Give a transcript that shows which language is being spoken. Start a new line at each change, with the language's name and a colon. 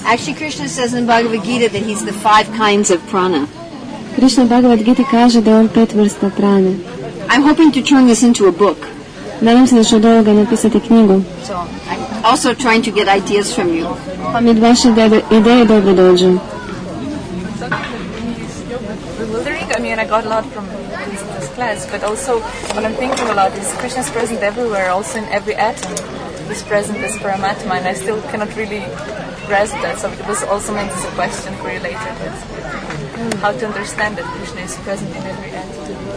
English: Actually, Krishna says in Bhagavad Gita that he's the five kinds of prana.
Croatian: Krishna Bhagavad Gita kaže da on pet vrsta prane.
English: I'm hoping to turn this into a book.
Croatian: Nadam se da ću od ovoga napisati knjigu.
English: So, I'm also trying to get ideas from you.
Croatian: Pa mi vaše ideje dobro dođu.
English: I mean, I got a lot from this class, but also what I'm thinking a lot is Krishna's present everywhere, also in every atom. This present is Paramatma, and I still cannot really grasp that. So this also makes a question for you later: how to understand that Krishna is present in every entity?